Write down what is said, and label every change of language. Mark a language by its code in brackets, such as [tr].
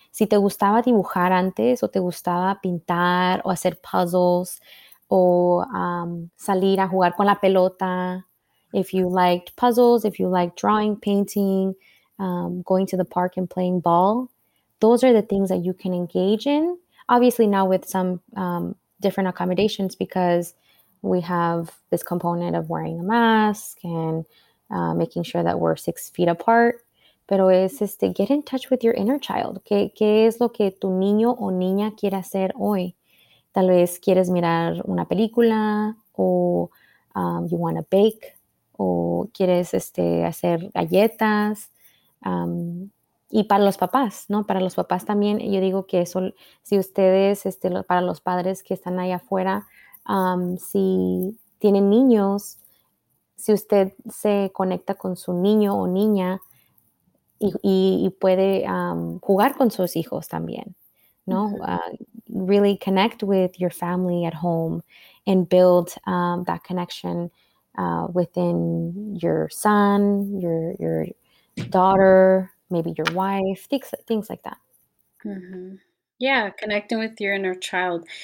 [es] Si te gustaba dibujar antes o te gustaba pintar o hacer puzzles o salir a jugar con la pelota, [en] if you liked puzzles, if you liked drawing, painting, going to the park and playing ball, those are the things that you can engage in. Obviously now with some different accommodations because we have this component of wearing a mask and making sure that we're 6 feet apart. [es] Pero es [en] get in touch with your inner child. [es] ¿Qué es lo que tu niño o niña quiere hacer hoy? Tal vez quieres mirar una película o [en] you want to bake [es] o quieres hacer galletas. Y para los papás, ¿no? Para los papás también, yo digo que eso, si ustedes, para los padres que están allá afuera, si tienen niños, si usted se conecta con su niño o niña y puede jugar con sus hijos también, ¿no? Mm-hmm. [en] Really connect with your family at home and build that connection within your son, your daughter, maybe your wife, things like that. Mm-hmm. Yeah, connecting with your inner child.